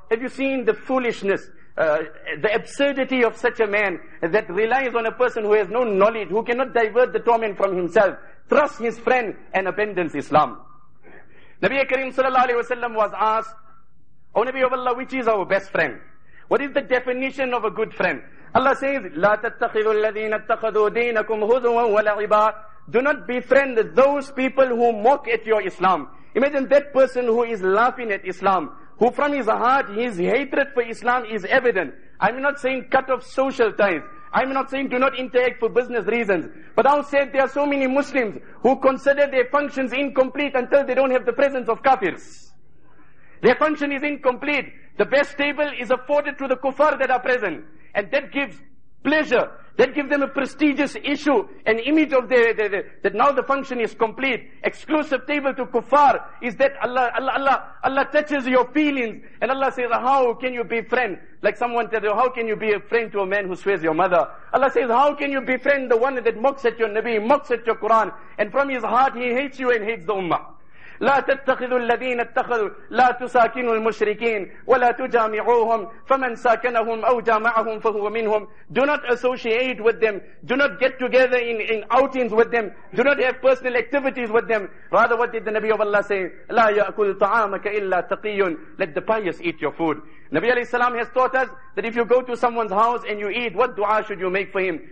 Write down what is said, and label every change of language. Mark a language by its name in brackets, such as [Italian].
[English] Have you seen the foolishness? The absurdity of such a man that relies on a person who has no knowledge, who cannot divert the torment from himself, trust his friend and abandons Islam. Nabi Karim sallallahu alayhi wa sallam was asked, O Nabi of Allah, which is our best friend? What is the definition of a good friend? Allah says, [Arabic] لَا تَتَّخِذُ الَّذِينَ اتَّخَذُوا دِينَكُمْ هُزُوًا وَلَعِبًا. [English] Do not befriend those people who mock at your Islam. Imagine that person who is laughing at Islam, who from his heart, his hatred for Islam is evident. I'm not saying cut off social ties. I'm not saying do not interact for business reasons. But I'll say there are so many Muslims who consider their functions incomplete until they don't have the presence of kafirs. Their function is incomplete. The best table is afforded to the kuffar that are present. And that gives pleasure. That gives them a prestigious issue, an image of their, that now the function is complete. Exclusive table to kuffar is that Allah touches your feelings. And Allah says, how can you befriend? Like someone tells you, how can you be a friend to a man who swears your mother? Allah says, how can you befriend the one that mocks at your Nabi, mocks at your Quran, and from his heart he hates you and hates the Ummah? [Arabic] لا تتخذوا الذين اتخذوا لا تساكنوا المشركين ولا تجامعوهم فمن ساكنهم أو جامعهم فهو منهم. [English] Do not associate with them. Do not get together in outings with them. Do not have personal activities with them. Rather, what did the Nabi of Allah say? [Arabic] لا يأكل طعامك إلا تقي. [English] Let the pious eat your food. Nabi alayhi salam has taught us that if you go to someone's house and you eat, what dua should you make for him?